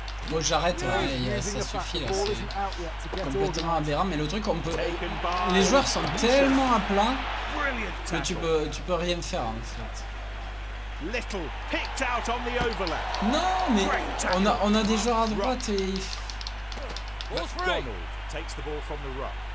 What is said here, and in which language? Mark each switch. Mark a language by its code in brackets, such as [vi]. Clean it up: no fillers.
[fr] Bon, j'arrête, ouais, ça suffit là. C'est complètement aberrant. Mais le truc, on peut. Les joueurs sont tellement à plat que tu peux rien faire en fait. [en] Little picked out on the overlap. [fr] Non, mais on a des joueurs à droite et. [en] Donald takes the ball from the ruck.